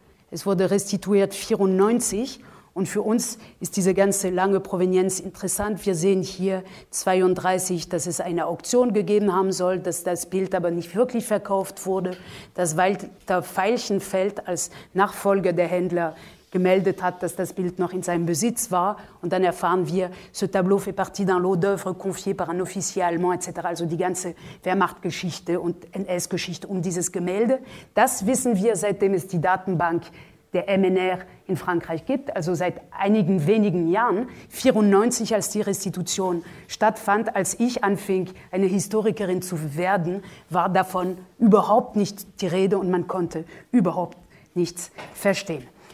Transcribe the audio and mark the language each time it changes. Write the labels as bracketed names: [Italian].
[German] Es wurde restituiert 1994. Und für uns ist diese ganze lange Provenienz interessant. Wir sehen hier 32, dass es eine Auktion gegeben haben soll, dass das Bild aber nicht wirklich verkauft wurde, dass Walter Feilchenfeld als Nachfolger der Händler gemeldet hat, dass das Bild noch in seinem Besitz war. Und dann erfahren wir, [French] ce tableau fait partie d'un lot d'œuvres confié par un officier allemand, etc. [German] Also die ganze Wehrmachtgeschichte und NS-Geschichte um dieses Gemälde. Das wissen wir, seitdem es die Datenbank der MNR in Frankreich gibt, also seit einigen wenigen Jahren, 1994, als die Restitution stattfand, als ich anfing, eine Historikerin zu werden, war davon überhaupt nicht die Rede und man konnte überhaupt nichts verstehen.